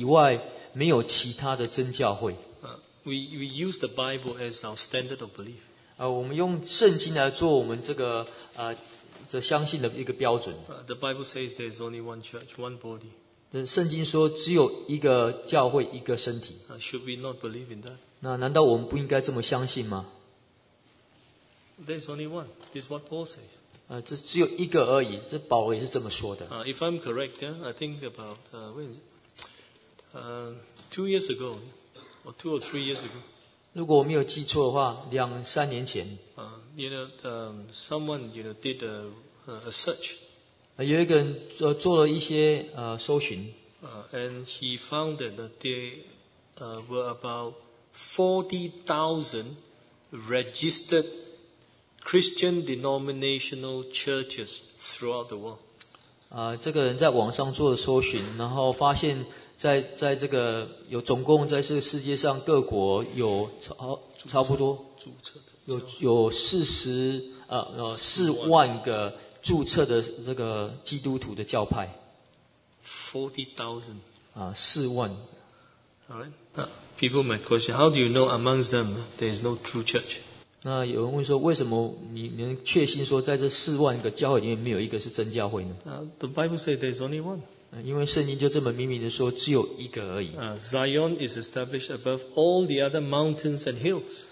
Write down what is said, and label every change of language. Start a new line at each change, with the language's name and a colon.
Chinese: 因为我们不能证明说除了我们以外没有其他的真教会。
English: We use the Bible as our standard of belief.
Chinese: 我们用圣经来做我们这个相信的一个标准。
English: The Bible says there is only one church, one body.
Chinese: 圣经说只有一个教会，一个身体。
English: Should we not believe in that?
Chinese: 那难道我们不应该这么相信吗？
English: There is only one. This is what Paul says.
Chinese: 这只有一个而已，这保罗也是这么说的。
English: If I'm correct, yeah, I think about when is it? 2 years ago. Or 2 or 3 years ago.
Chinese: 如果我没有记错的话，两三年前。
English: You know, someone, you know, did a search.
Chinese: 有一个人做了一些搜寻。
English: And he found that there were about 40,000 registered Christian denominational churches throughout the world.
Chinese: 这个人在网上做了搜寻，然后发现。在这个有总共在世界上各国有差不多有四万个注册的这个基督徒的教派
English: 40,000
Chinese: 四万
English: Alright, people might question, how do you know amongst them there is no true church?
Chinese: 那有人问说，为什么你能确信说在这四万个教会里面没有一个是真教会呢？
English: The Bible says there is only one.
Chinese: 因为圣经就这么明明的说，只有一个而已。
English: Zion is established above all the other mountains and hills.